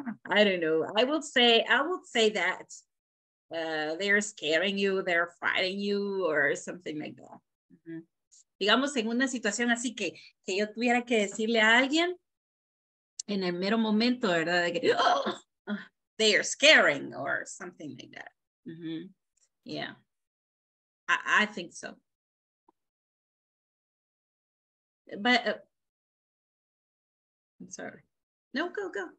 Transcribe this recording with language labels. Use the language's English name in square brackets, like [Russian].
[English] I would say that they're scaring you, they're fighting you, or something like that. [Spanish] Digamos en una situación así que yo tuviera que decirle a alguien en el mero momento, ¿verdad? De que, [English] oh, they are scaring or something like that. Yeah, I think so. But I'm sorry. No, go.